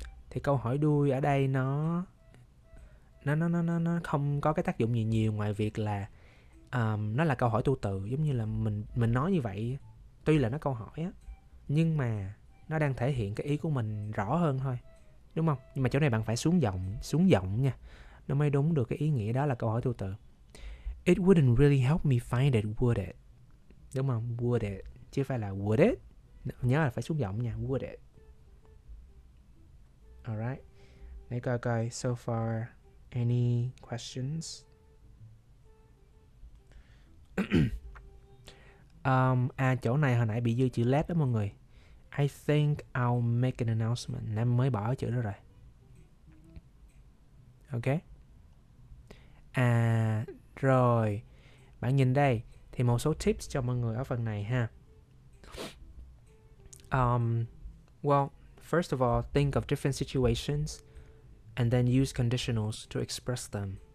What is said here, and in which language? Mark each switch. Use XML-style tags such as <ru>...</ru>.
<vi>Thì câu hỏi đuôi ở đây nó không có cái tác dụng gì nhiều ngoài việc là nó là câu hỏi tu từ, giống như là mình nói như vậy tuy là nó câu hỏi á nhưng mà nó đang thể hiện cái ý của mình rõ hơn thôi, đúng không? Nhưng mà chỗ này bạn phải xuống giọng nha, nó mới đúng được cái ý nghĩa đó là câu hỏi tu từ.</vi> <en>It wouldn't really help me find it, would it?</en> <vi>Đúng không? Would it chứ phải là</vi> <en>would it.</en> <vi>Nhớ là phải xuống giọng nha, would it.</vi> <en>Alright,</en> <vi>để coi coi</vi> <en>so far any questions?</en> <vi>chỗ này hồi nãy bị dư chữ let đó mọi người.</vi> <en>I think I'll make an announcement.</en> <vi>Em mới bỏ chữ đó rồi. Ok. À, rồi. Bạn nhìn đây. Thì một số tips cho mọi người ở phần này ha.</vi> <en>Well, first of all, think of different situations and then use conditionals to express them.</en>